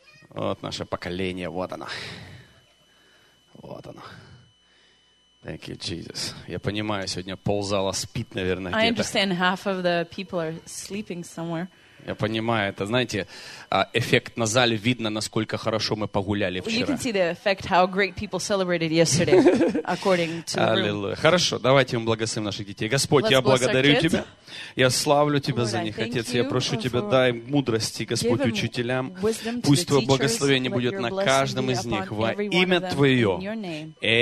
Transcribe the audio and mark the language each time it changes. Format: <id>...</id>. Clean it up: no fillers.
<ru>Вот наше поколение, вот оно. Вот оно.</ru> <en>Thank you, Jesus.</en> <ru>Я понимаю, сегодня ползала спит, наверное, где-то.</ru> <en>I understand half of the people are sleeping somewhere.</en> <ru>Я понимаю, это, знаете, эффект на зале видно, насколько хорошо мы погуляли вчера.</ru> <en>You can see the effect how great people celebrated yesterday, according to the room.</en> <ru>Аллилуйя. Хорошо, давайте мы благословим наших детей. Господь, я благодарю Тебя, я славлю Тебя за них, Отец, я прошу Тебя, дай им мудрости, Господь, учителям. Пусть Твое благословение будет на каждом из них во имя Твое.</ru>